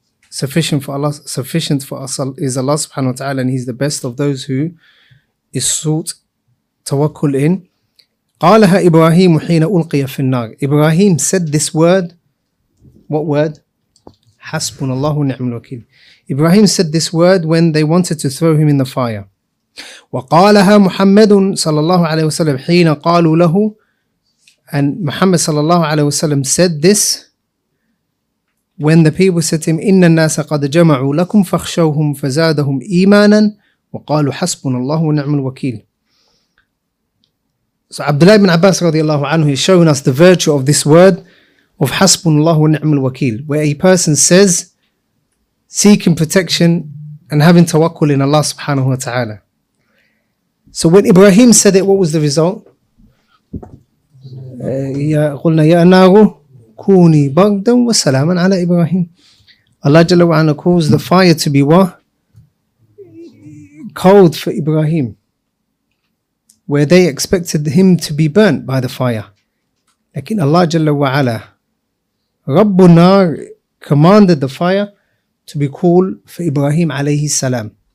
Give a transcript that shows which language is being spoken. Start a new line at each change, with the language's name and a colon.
English: Sufficient for Allah, sufficient for us is Allah subhanahu wa ta'ala, and He's the best of those who is sought tawakkul in.
Arabic: قَالَهَا إِبْرَاهِيمُ حِينَ أُلْقِيَ فِي النَّارِ.
English: Ibrahim said this word, what word?
Arabic: حَسْبُنَ اللَّهُ وَنِعْمُ الْوَكِيلِ.
English: Ibrahim said this word when they wanted to throw him in the fire.
Arabic: وقالها محمد صلى الله عليه وسلم حين قالوا له.
English: And Muhammad صلى الله عليه وسلم said this when the people said to him,
Arabic: إن الناس قد جمعوا لكم فخشوهم فزادهم إيمانا وقالوا حسبنا الله ونعم الوكيل.
English: So Abdullah ibn Abbas رضي الله عنه is showing us the virtue of this word of
Arabic: حسبنا الله ونعم الوكيل,
English: where a person says seeking protection and having tawakkul in Allah subhanahu wa ta'ala. So when Ibrahim said it, what was the result?
Arabic: قلنا يا نار كوني بردا وسلاما على إبراهيم.
English: Allah Jalla wa Ala caused the fire to be what? Cold for Ibrahim, where they expected him to be burnt by the fire. لكن Allah Jalla wa Ala,
Arabic: رب النار,
English: commanded the fire to be cool for Ibrahim عليه السلام.